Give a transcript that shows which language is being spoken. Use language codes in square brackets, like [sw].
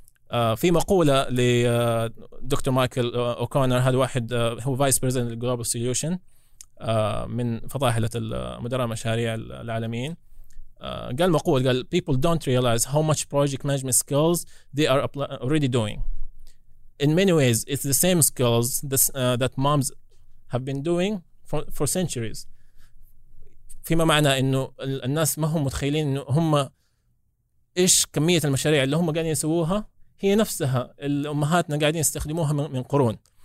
[ar] في مقولة لدكتور مايكل أوكونر، هذا واحد هو فايس بريزيدنت للجلوبال سوليوشن من فضائحلة مدراء المشاريع العالميين، قال مقولة، قال [en] people don't realize how much project management skills they are already doing. in many ways, it's the same skills this, that moms have been doing for centuries. [ar] فيما معنى إنه الناس ما هم متخيلين إنه هم إيش كمية المشاريع اللي هم قاعدين يسووها هي نفسها الأمهاتنا قاعدين يستخدموها من قرون.